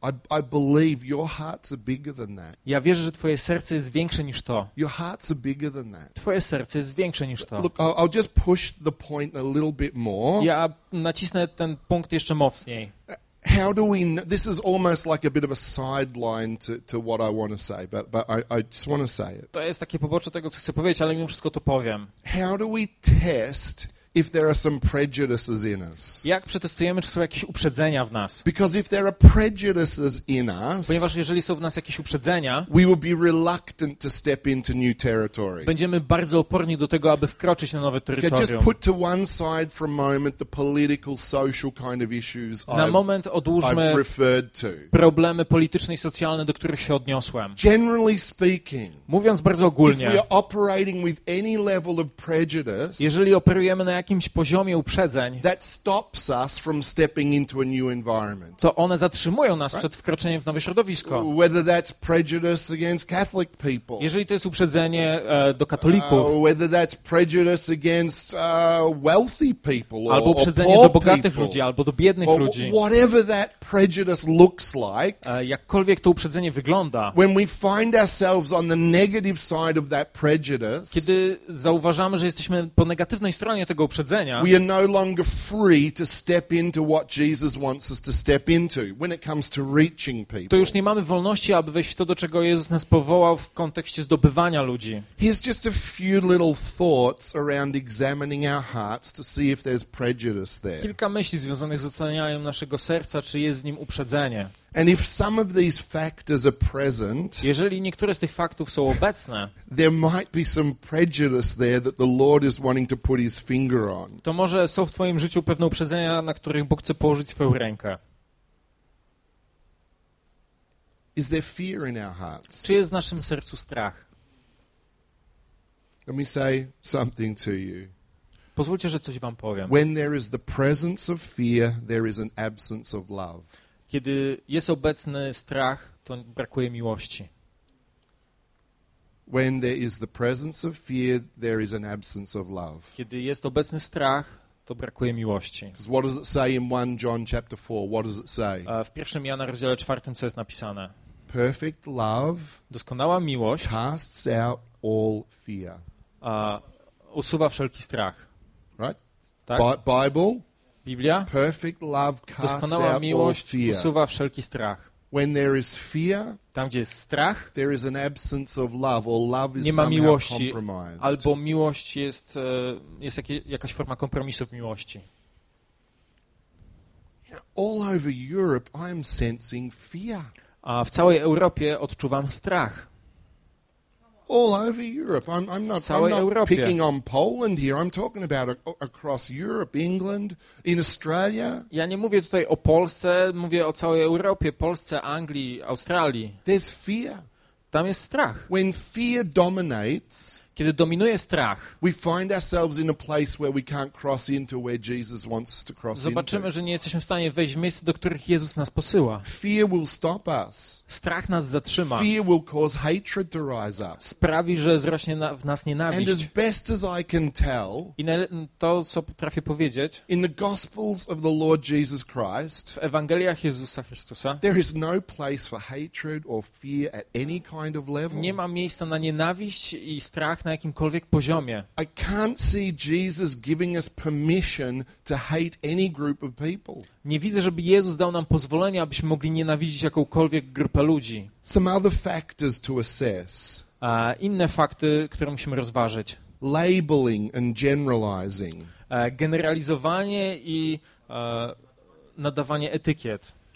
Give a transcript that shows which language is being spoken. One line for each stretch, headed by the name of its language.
English: I believe your hearts are bigger than that.
Polish: Ja wierzę, że twoje serce jest większe niż to.
English: Your hearts are bigger than that.
Polish: Twoje serce jest większe niż to.
English: Look, I'll just push the point a little bit more.
Polish: Ja nacisnę ten punkt jeszcze mocniej.
English: How do we? This is almost like a bit of a sideline to what I want to say, but I just want to say it.
Polish: To jest takie pobocze tego, co chcę powiedzieć, ale mimo wszystko to powiem.
English: How do we test if there are some prejudices in us?
Polish: Jak przetestujemy, czy są jakieś uprzedzenia w nas?
English: Because if there are prejudices in us,
Polish: ponieważ jeżeli są w nas jakieś uprzedzenia,
English: we will be reluctant to step into new territory.
Polish: Będziemy bardzo oporni do tego, aby wkroczyć na nowe terytorium.
English: Okay, just put to one side for a moment the political, social kind of issues I've referred to.
Polish: Problemy polityczne i socjalne, do których się odniosłem.
English: Generally speaking,
Polish: mówiąc bardzo ogólnie,
English: if we are operating with any level of prejudice,
Polish: jeżeli operujemy na jakimś poziomie uprzedzeń,
English: that stops us from stepping into a new environment.
Polish: To one zatrzymują nas
English: right?
Polish: przed wkroczeniem w nowe środowisko.
English: Whether that's prejudice against Catholic people.
Polish: Jeżeli to jest uprzedzenie do katolików.
English: Whether that's prejudice against wealthy people.
Polish: Albo uprzedzenie do bogatych ludzi, albo do biednych ludzi.
English: Whatever that prejudice looks like.
Polish: Jakkolwiek to uprzedzenie wygląda.
English: When we find ourselves on the negative side of that prejudice.
Polish: Kiedy zauważamy, że jesteśmy po negatywnej stronie tego uprzedzenia.
English: We are no longer free to step into what Jesus wants us to step into when it comes to reaching people.
Polish: To już nie mamy wolności, aby wejść w to, do czego Jezus nas powołał w kontekście zdobywania ludzi.
English: Here's just a few little thoughts around examining our hearts to see if there's prejudice there.
Polish: Kilka myśli związanych z ocenianiem naszego serca, czy jest w nim uprzedzenie.
English: And if some of these factors are present,
Polish: jeżeli niektóre z tych faktów są obecne,
English: there might be some prejudice there that the Lord is wanting to put his finger on.
Polish: To może są w twoim życiu pewne uprzedzenia, na których Bóg chce położyć swoją rękę.
English: Is there fear in our hearts?
Polish: Czy jest w naszym sercu strach?
English: Let me say something to you.
Polish: Pozwólcie, że coś wam powiem.
English: When there is the presence of fear, there is an absence of love.
Polish: Kiedy jest obecny strach, to brakuje miłości.
English: When there is the presence of fear, there is an absence of love.
Polish: Kiedy jest obecny strach, to brakuje miłości.
English: Because what does it say in 1 John chapter 4? What does it say?
Polish: W 1 Jana rozdziale 4 co jest napisane?
English: Perfect love.
Polish: Doskonała miłość.
English: Casts out all fear.
Polish: Usuwa wszelki strach.
English: Right?
Polish: Tak?
English: Bible.
Polish: Biblia.
English: Perfect love casts out all fear.
Polish: Doskonała miłość usuwa wszelki strach.
English: When there is fear,
Polish: tam gdzie jest strach,
English: there is an absence of love, or love is
Polish: nie ma miłości,
English: compromised.
Polish: Albo miłość jest jakaś forma kompromisu w miłości.
English: All over Europe, I am sensing fear.
Polish: A w całej Europie odczuwam strach.
English: All over Europe, I'm not picking on Poland here. I'm talking about across Europe, England, in Australia.
Polish: Ja nie mówię tutaj o Polsce, mówię o całej Europie, Polsce, Anglii, Australii.
English: There's fear.
Polish: Tam jest strach.
English: When fear dominates,
Polish: kiedy dominuje strach,
English: we find ourselves in a place where we can't cross into where Jesus wants us to cross into.
Polish: Zobaczymy, że nie jesteśmy w stanie wejść w miejsce, do których Jezus nas posyła.
English: Fear will stop us.
Polish: Strach nas zatrzyma.
English: Fear will cause hatred to rise up.
Polish: Sprawi, że zrośnie w nas nienawiść.
English: And as best as I can tell,
Polish: i to, co potrafię powiedzieć,
English: in the Gospels of the Lord Jesus Christ,
Polish: w Ewangeliach Jezusa Chrystusa,
English: there is no place for hatred or fear at any kind of level.
Polish: Nie ma miejsca na nienawiść i strach na jakimkolwiek poziomie.
English: I can't see Jesus giving us permission to hate any group of people.
Polish: Nie widzę, żeby Jezus dał nam pozwolenie, abyśmy mogli nienawidzić jakąkolwiek grupę ludzi.
English: Some other factors to assess.
Polish: Inne fakty, które musimy rozważyć.
English: Labeling and generalizing.
Polish: Generalizowanie i nadawanie etykiet.